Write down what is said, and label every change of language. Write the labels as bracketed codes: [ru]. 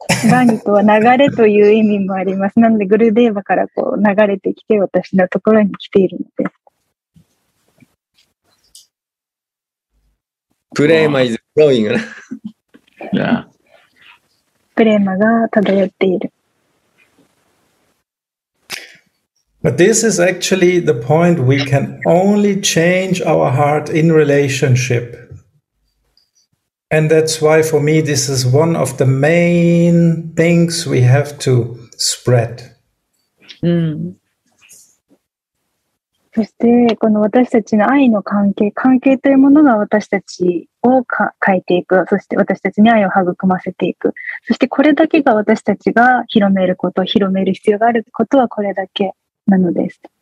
[ja] バニとは流れという意味もあります。なのでグルデーバからこう流れてきて私のところに来ているので。 [en] プレーマ is flowing. [ja] プレーマが漂っている。 [en] But this is actually the point we can only change our heart in relationship. And that's why for me this is one of the main things we have to spread.、うん、 [ja] そしてこの私たちの愛の関係、関係というものが私たちを変えていく、そして私たちに愛を育ませていく。そしてこれだけが私たちが広めること、広める必要があることはこれだけなのです。